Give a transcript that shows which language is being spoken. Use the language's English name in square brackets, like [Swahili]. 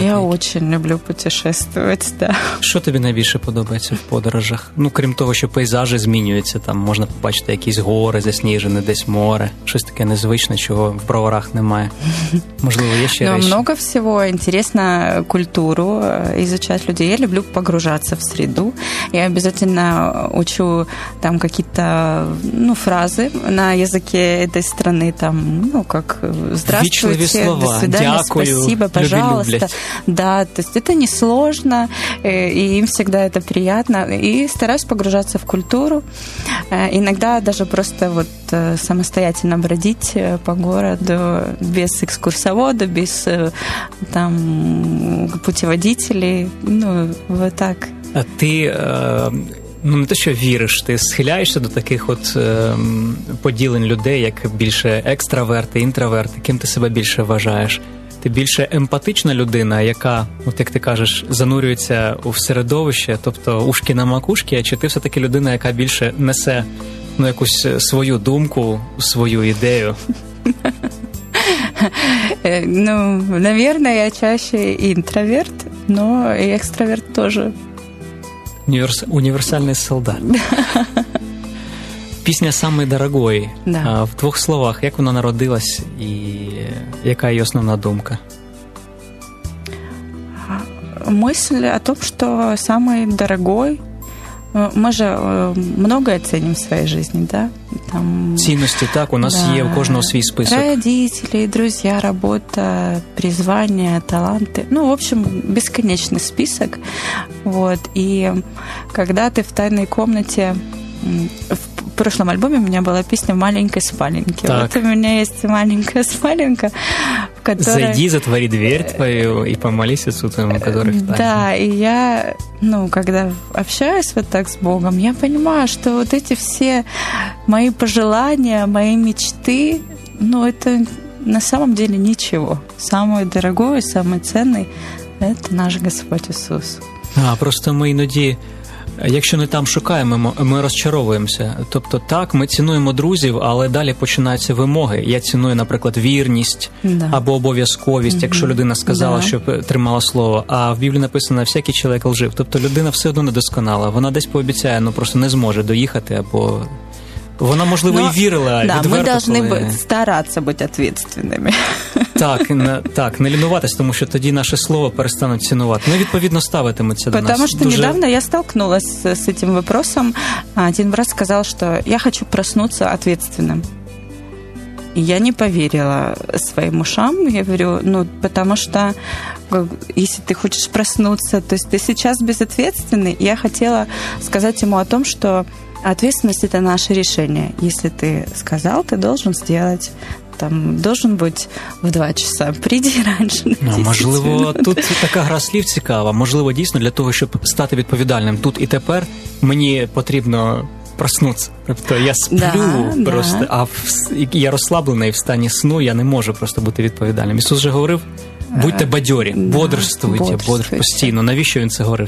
[Russian] Да, я очень люблю путешествовать, да. [Ukrainian] Що тобі найбільше подобається в подорожах? Ну, крім того, що пейзажі змінюються, там можна побачити якісь гори засніжені, десь море, щось таке незвичне, чого в Броварах немає. Можливо, є ще речі? [Russian] Много всего. Интересно культуру изучать людей. Я люблю погружаться в среду. Я обязательно учу там какие-то фразы на языке этой страны, там, ну, как здравствуйте, до свидания, [Ukrainian] дякую, [Russian] спасибо, пожалуйста. Да, то есть это несложно, и им всегда это приятно. И стараюсь погружаться в культуру. Иногда даже просто вот самостоятельно бродить по городу без экскурсовода, без там путеводителей. Ну, вот так. А ты... [Ukrainian] Ну, не те, що віриш, ти схиляєшся до таких от поділень людей, як більше екстраверти, інтроверти, ким ти себе більше вважаєш. Ти більше емпатична людина, яка, от як ти кажеш, занурюється в середовище, тобто ушки на макушки, а чи ти все-таки людина, яка більше несе, ну, якусь свою думку, свою ідею? [Russian] Ну, наверное, я чаще інтроверт, но [Ukrainian] і екстраверт теж. Універсальний солдат. Пісня «Самий дорогой». [Russian] Да. [Ukrainian] В двох словах, як вона народилась і яка її основна думка? [Russian] Мисль о том, [Ukrainian] що «Самий дорогой». Ми ж многое цінимо в своїй житті, да? Там... Цінності, так, у нас є у кожного свій список. [Russian] Родители, друзья, робота, призвання, таланти. Ну, в общем, [Ukrainian] безконечний список. [Russian] Вот. [Ukrainian] І коли ти в тайній кімнаті... [Russian] В прошлом [Ukrainian] альбомі у мене була пісня «Маленька спаленька». Так. Вот у мене є «Маленька спаленька», в [Russian] которой... Зайди, затвори дверь твою и помолись Иисусу твоему, который в тайне. Да, и я, ну, когда общаюсь вот так с Богом, я понимаю, что вот эти все мои пожелания, мои мечты, ну, это на самом деле ничего. Самое дорогое, самое ценное – это наш Господь Иисус. [Ukrainian] А, просто мы іноді, якщо не там шукаємо, ми розчаровуємося. Тобто так, ми цінуємо друзів, але далі починаються вимоги. Я ціную, наприклад, вірність або обов'язковість, якщо людина сказала, щоб тримала слово. А в Біблії написано «всякий чоловік лжив». Тобто людина все одно недосконала. Вона десь пообіцяє, ну просто не зможе доїхати або... Вона, можливо, і вірила, відверто. Так, ми повинні старатися бути відповідальними. Так, не лінуватись, тому що тоді наше слово перестануть цінувати. Ну, відповідно, ставитимуться до нас. Тому що дуже... недавно я столкнулася з цим вопросом. Один раз сказав, що я хочу проснутися відповідальним. [Russian] И я не поверила своим ушам. Я говорю, ну, потому что если ты хочешь проснуться, то есть ты сейчас безответственный. Я хотела сказать ему о том, что ответственность – это наше решение. Если ты сказал, ты должен сделать, там, должен быть в 2 часа, приди раньше на 10 минут. [Ukrainian] Можливо, тут така гра слів цікава. Можливо, дійсно, для того, щоб стати відповідальним тут і тепер, мені потрібно проснутися. Тобто я сплю а я розслаблений в стані сну, я не можу просто бути відповідальним. Ісус вже говорив, будьте бадьорі, бодрствуйте постійно. Навіщо Він це говорив?